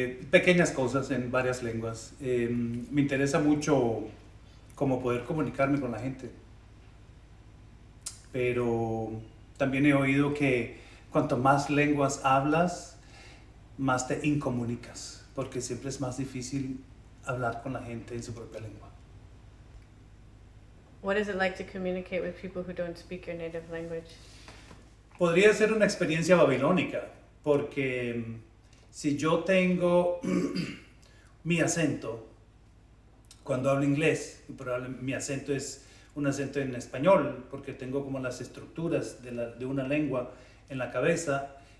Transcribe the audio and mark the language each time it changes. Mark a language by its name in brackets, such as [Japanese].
[Spanish] Pequeñas cosas en varias lenguas. Me interesa mucho cómo poder comunicarme con la gente. Pero también he oído que cuanto más lenguas hablas, más te incomunicas. Porque siempre es más difícil hablar con la gente en su propia lengua. [English] What is it like to communicate with people who don't speak your native language? [Spanish] Podría ser una experiencia babilónica, porque si yo tengo mi acento cuando hablo inglés, probablemente mi acento es un acento en español, porque tengo como las estructuras de una lengua en la cabeza.